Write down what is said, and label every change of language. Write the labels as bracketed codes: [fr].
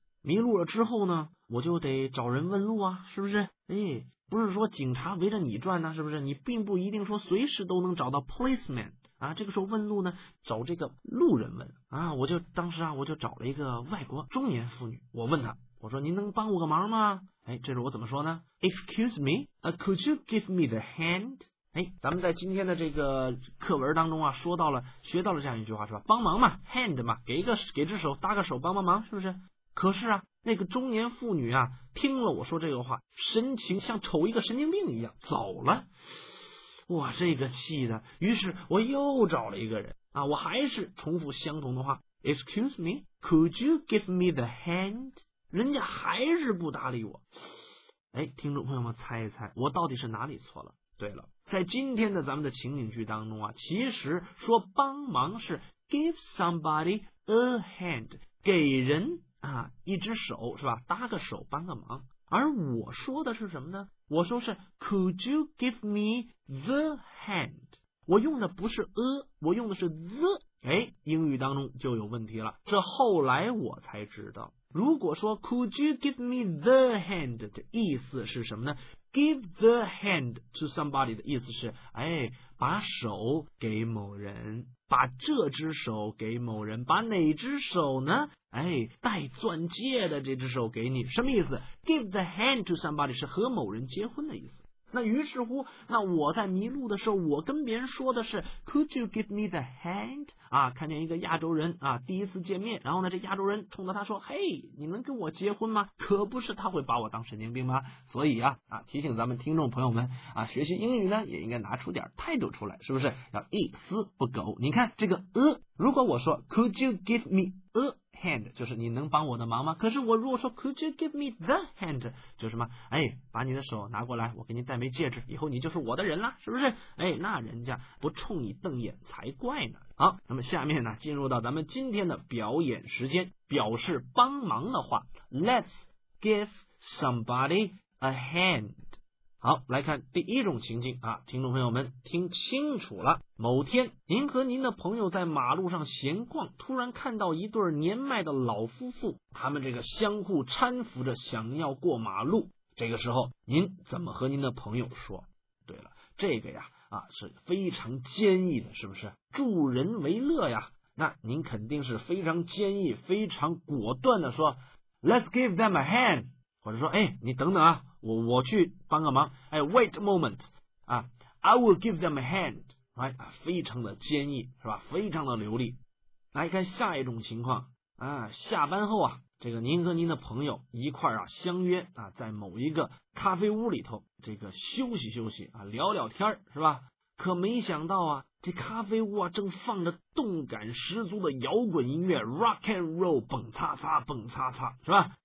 [zh] 迷路了之后呢，我就得找人问路啊，是不是？不是说警察围着你转呢、是不是？你并不一定说随时都能找到 policeman 啊。这个时候问路呢，找这个路人问啊。我就当时啊，我就找了一个外国中年妇女，我问她，我说您能帮我个忙吗？这是我怎么说呢 [en] ？Excuse me, could you give me the hand？ [zh] 咱们在今天的这个课文当中啊，说到了学到了这样一句话是吧？帮忙嘛 ，hand 嘛，给只手搭个手帮帮忙，是不是？可是啊，那个中年妇女啊，听了我说这个话，神情像瞅一个神经病一样走了。哇，这个气的！于是我又找了一个人啊，我还是重复相同的话 ， [en] Excuse me, could you give me the hand？ [zh] 人家还是不搭理我。听众朋友们，猜一猜，我到底是哪里错了？对了，在今天的咱们的情景剧当中啊，其实说帮忙是 [en] give somebody a hand， [zh] 给人。一只手是吧，搭个手帮个忙，而我说的是什么呢？我说是 [en] could you give me the hand， [zh] 我用的不是我用的是 the。英语当中就有问题了，这后来我才知道，如果说 [en] could you give me the hand [zh] 的意思是什么呢？ [en] give the hand to somebody [zh] 的意思是把手给某人，把这只手给某人，把哪只手呢？戴钻戒的这只手给你，什么意思？ [en] Give the hand to somebody [zh] 是和某人结婚的意思。那于是乎，那我在迷路的时候，我跟别人说的是 [en] Could you give me the hand？ [zh] 看见一个亚洲人第一次见面，然后呢，这亚洲人冲到他说，你能跟我结婚吗？可不是他会把我当神经病吗？所以提醒咱们听众朋友们学习英语呢，也应该拿出点态度出来，是不是？要一丝不苟。你看这个如果我说 [en] Could you give me a hand， [zh] 就是你能帮我的忙吗？可是我如果说 [en] Could you give me the hand， [zh] 就是什么？把你的手拿过来，我给你戴枚戒指，以后你就是我的人了，是不是？那人家不冲你瞪眼才怪呢。好，那么下面呢，进入到咱们今天的表演时间，表示帮忙的话 ， [en] Let's give somebody a hand。 [zh] 好，来看第一种情境啊，听众朋友们听清楚了。某天，您和您的朋友在马路上闲逛，突然看到一对年迈的老夫妇，他们这个相互搀扶着想要过马路。这个时候，您怎么和您的朋友说？对了，这个呀是非常坚毅的，是不是？助人为乐呀，那您肯定是非常坚毅、非常果断的说 ， [en] Let's give them a hand。 [zh] 或者说你等等啊，我去帮个忙。 [en] wait a moment， I will give them a hand， [zh] 非常的坚毅是吧，非常的流利。来看下一种情况下班后这个您和您的朋友一块相约在某一个咖啡屋里头这个休息休息聊聊天是吧。可没想到这咖啡屋正放着动感十足的摇滚音乐 ， [en] rock and roll， [zh] 蹦擦擦，蹦擦擦，是吧？